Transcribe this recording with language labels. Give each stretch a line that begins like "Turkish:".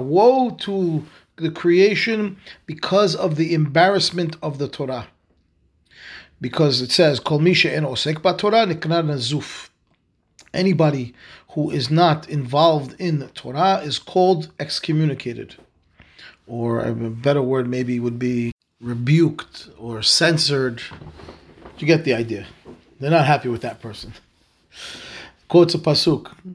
English: Woe to the creation because of the embarrassment of the Torah. Because it says,
Hebrew: כל מי שאין עוסק בתורה נקרא נזוף.
English: Anybody who is not involved in Torah is called excommunicated. Or a better word maybe would be rebuked or censored. You get the idea. They're not happy with that person. Quotes a pasuk.